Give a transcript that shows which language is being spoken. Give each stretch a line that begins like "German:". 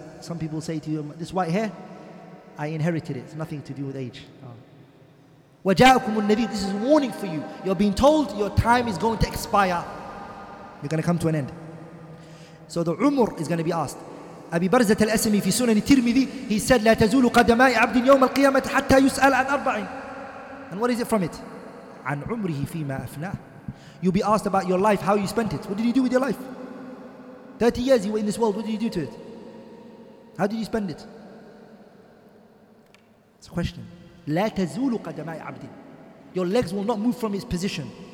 English: Some people say to you, this white hair, I inherited it. It's nothing to do with age.
Arabic: وَجَاءَكُمُ النَّذِيرُ.
English: This is a warning for you. You're being told your time is going to expire. You're going to come to an end. So the umur is going to be asked.
Arabic: أبي برزة الأسمي في سنن الترمذي,
English: he said,
Arabic: لا تزول قدماء عبد يوم القيامة حتى يسأل عن أربع.
English: And what is it from it?
Arabic: عن عمره فيما أفناه.
English: You'll be asked about your life, how you spent it. What did you do with your life? 30 years you were in this world. What did you do to it? How did you spend it? It's a question.
Arabic: لا تزول قدماء عبد.
English: Your legs will not move from his position.